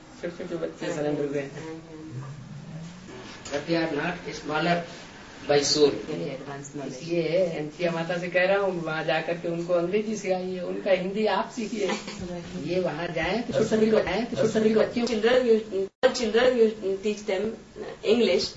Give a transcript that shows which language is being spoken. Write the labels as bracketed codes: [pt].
[en] But they are not smaller by soul. [hi] इसलिए एंथिया माता से कह रहा हूँ, वहाँ जा करके उनको अंग्रेजी सिखाइए, उनका हिंदी आप सीखिए। ये वहाँ जाएं तो [en] children you teach them English